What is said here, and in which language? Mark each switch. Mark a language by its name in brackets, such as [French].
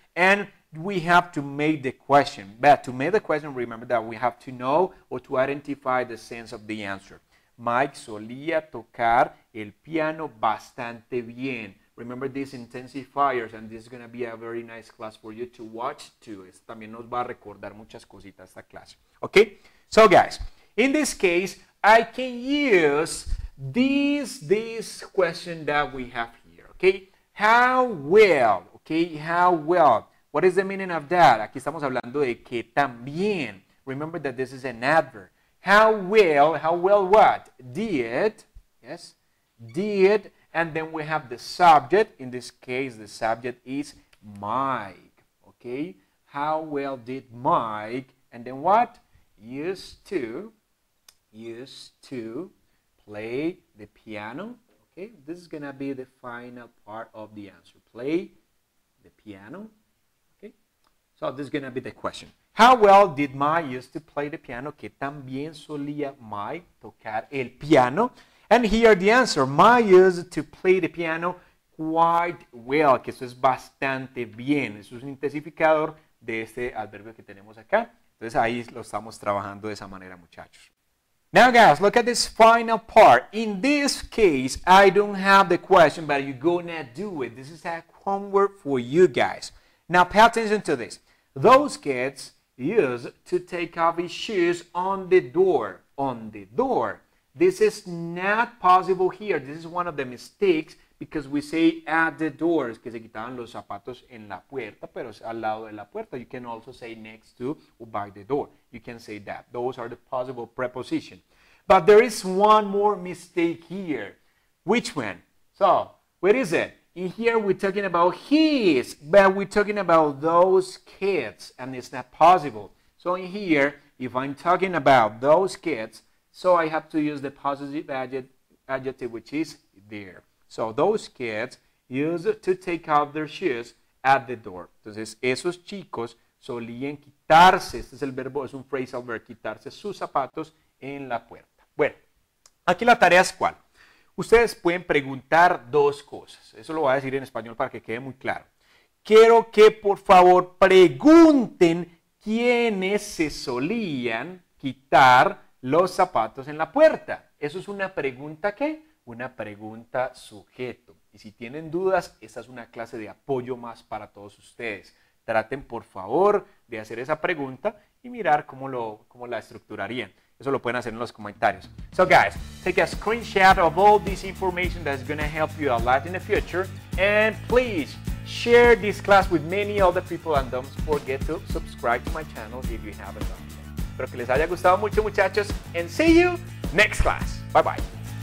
[English] And we have to make the question. But to make the question, remember that we have to know or to identify the sense of the answer. [Spanish] Mike solía tocar el piano bastante bien. [English] Remember these intensifiers, and this is going to be a very nice class for you to watch too. [Spanish] Esto también nos va a recordar muchas cositas esta clase. [English] Okay? So, guys, in this case, I can use this question that we have here. Okay? How well? Okay? How well? What is the meaning of that? [Spanish] Aquí estamos hablando de que también. [English] Remember that this is an adverb. How well what? Did. Yes? Did. And then we have the subject. In this case, the subject is Mike. Okay? How well did Mike? And then what? Used to play the piano. Okay? This is going to be the final part of the answer. Play the piano. Okay? So this is going to be the question. How well did Mike used to play the piano? [Spanish] ¿Qué tan bien solía Mike tocar el piano? [English] And here the answer, Mike used to play the piano quite well, [Spanish] que eso es bastante bien. Eso es un intensificador de este adverbio que tenemos acá. Entonces ahí lo estamos trabajando de esa manera, muchachos. [English] Now guys, look at this final part. In this case, I don't have the question, but you're gonna do it. This is a homework for you guys. Now pay attention to this. Those kids used to take off his shoes on the door. On the door. This is not possible here. This is one of the mistakes because we say at the doors, [Spanish] que se quitaban los zapatos en la puerta, pero es al lado de la puerta. [English] You can also say next to or by the door. You can say that. Those are the possible prepositions. But there is one more mistake here. Which one? So, what is it? In here, we're talking about his, but we're talking about those kids, and it's not possible. So, in here, if I'm talking about those kids, so I have to use the positive adjective, which is there. So those kids used to take off their shoes at the door. [Spanish] Entonces, esos chicos solían quitarse, este es el verbo, es un phrasal verb, quitarse sus zapatos en la puerta. Bueno, aquí la tarea es cuál. Ustedes pueden preguntar dos cosas. Eso lo voy a decir en español para que quede muy claro. Quiero que, por favor, pregunten quiénes se solían quitar los zapatos en la puerta. ¿Eso es una pregunta qué? Una pregunta sujeto. Y si tienen dudas, esta es una clase de apoyo más para todos ustedes. Traten, por favor, de hacer esa pregunta y mirar cómo la estructurarían. Eso lo pueden hacer en los comentarios. [English] So, guys, take a screenshot of all this information that is going to help you a lot in the future. And please share this class with many other people and don't forget to subscribe to my channel if you haven't done yet. [Spanish] Espero que les haya gustado mucho, muchachos, [English] and see you next class. Bye bye.